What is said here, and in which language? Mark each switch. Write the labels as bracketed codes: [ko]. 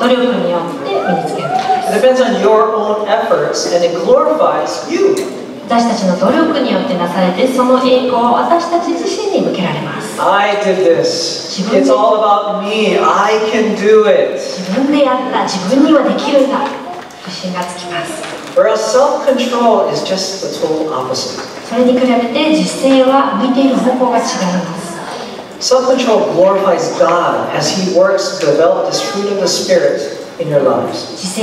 [ja] 私たちの意志の力というのは私たち自身の努力によって身につけます。 [en] It depends on your own efforts and it glorifies you. [ja] 私たちの努力によってなされてその栄光を私たち自身に向けられます。 [en] I did this. It's all about me. I can do it. [ja] 自分でやった自分にはできるんだ。自信がつきます。 [en] Whereas self-control is just the total opposite. [ja] それに比べて自制は向いている方向が違います。 [en] Self-control glorifies God as He works to develop this fruit of the Spirit in your lives.